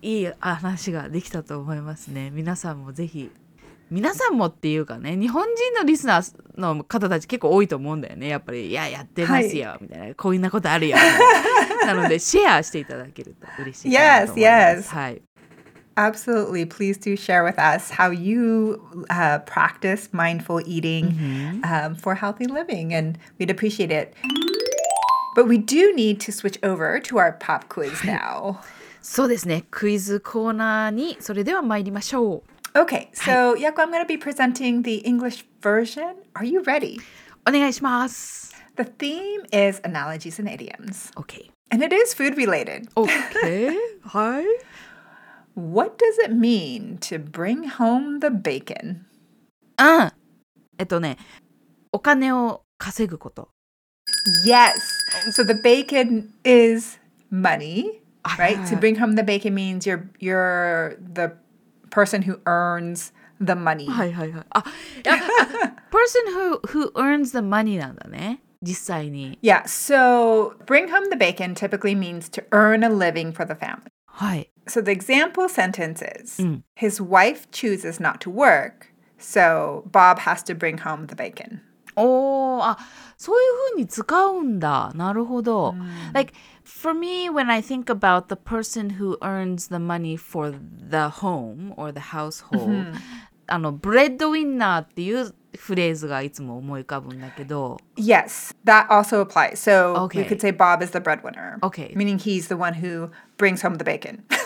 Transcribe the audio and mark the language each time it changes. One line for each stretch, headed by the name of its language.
Japanese: いい話ができたと思いますね。皆さんもぜひ、皆さんもっていうかね、日本人のリスナーの方たち結構多いと思うんだよね。やっぱり、いや、やってますよ、はい、みたいな、こういうなことあるよ。なので、シェアしていただけると嬉しいかなと思います。
English: Yes, yes.
Japanese: はい。
English: Absolutely. Please do share with us how you practice mindful eating for healthy living, and we'd appreciate it. But we do need to switch over to our pop quiz now.
Japanese: そうですね。クイズコーナーに、それでは参りましょう。
English: Okay, so Yaku, I'm going to be presenting the English version. Are you ready?
Japanese: お願いします。
English: The theme is analogies and idioms. Okay. And it is food related. Okay, hi. What does it mean to bring home the bacon?
Japanese: お金を稼ぐこと。
English: Yes, so the bacon is money, right? To bring home the bacon means you're the person who earns the money.
Japanese: はいはいはい。あ、
English: person who earns the money
Japanese: なんだね。実際に。
English: Yeah, so bring home the bacon typically means to earn a living for the family.
Japanese: はい。
English: So the example sentence is, his wife chooses not to work, so Bob has to bring home the bacon.
Japanese: おー、あ、そういうふうに使うんだ。なるほど。
English: Like, for me, when I think about the person who earns the money for the home or the household,
Japanese: あの、ブレッドウィンナーっていうフレーズがいつも思い浮かぶんだけど。
English: Yes, that also applies. So、okay. we could say Bob is the breadwinner. Okay. Meaning he's the one who brings home the bacon.